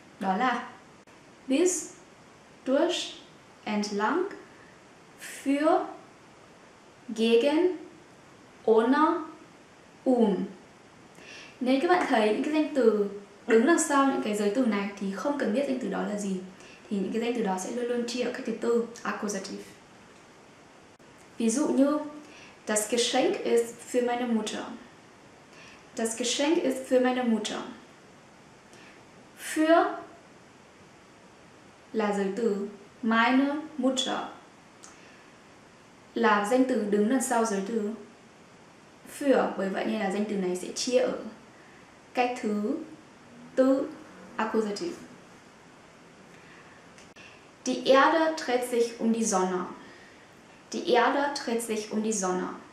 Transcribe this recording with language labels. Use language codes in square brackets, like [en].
[vi] Đó là this, durch, and lang, für, gegen, ohne, Nếu các bạn thấy những cái danh từ đứng đằng sau những cái giới từ này thì không cần biết danh từ đó là gì, thì những cái danh từ đó sẽ luôn luôn chia ở cách thứ tư, accusative. Ví dụ như [de] das Geschenk ist für meine Mutter. Das Geschenk ist für meine Mutter. [vi] Für là giới từ, meine Mutter là danh từ đứng đằng sau giới từ für, bởi vậy nên là danh từ này sẽ chia ở cách thứ tư, accusative. [de] Die Erde dreht sich um die Sonne. Die Erde dreht sich um die Sonne.